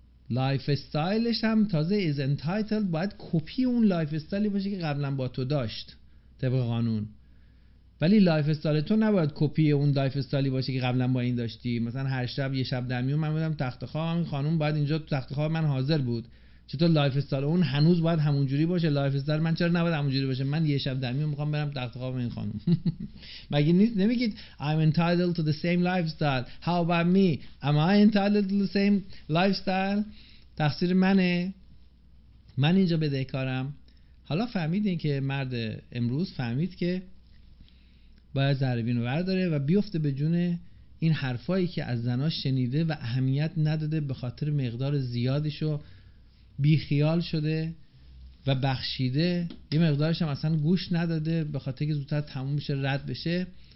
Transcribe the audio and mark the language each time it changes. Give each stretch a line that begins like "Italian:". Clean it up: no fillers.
Persian: لایف استایلش هم تازه از انتایتل، باید کپی اون لایف استایلی باشه که قبلا با تو داشت طبق قانون، ولی لایف استایل تو نباید کپی اون لایف استایلی باشه که قبلا با این داشتی. مثلا هر شب یه شب درمیون من بودم تخت خواب، این خانوم باید اینجا تو تخت خواب من حاضر بود، چطور لایف استایل اون هنوز باید همونجوری باشه؟ لایف استایل من چرا نباید همونجوری باشه؟ من یه شب درمیون میخوام برم تخت خواب این خانم. مگه نیست نمیگید
English: I'm entitled to the same lifestyle. How about me? Am I entitled to the same lifestyle?
Persian: تقصیر منه، من اینجا بدهکارم. حالا فهمیدین که مرد امروز فهمید که باید ضربین رو برداره و بیفته به جونه این حرفایی که از زناش شنیده و اهمیت نداده به خاطر مقدار زیادشو بیخیال شده و بخشیده، یه مقدارش هم اصلا گوش نداده به خاطر که زودتر تموم بشه رد بشه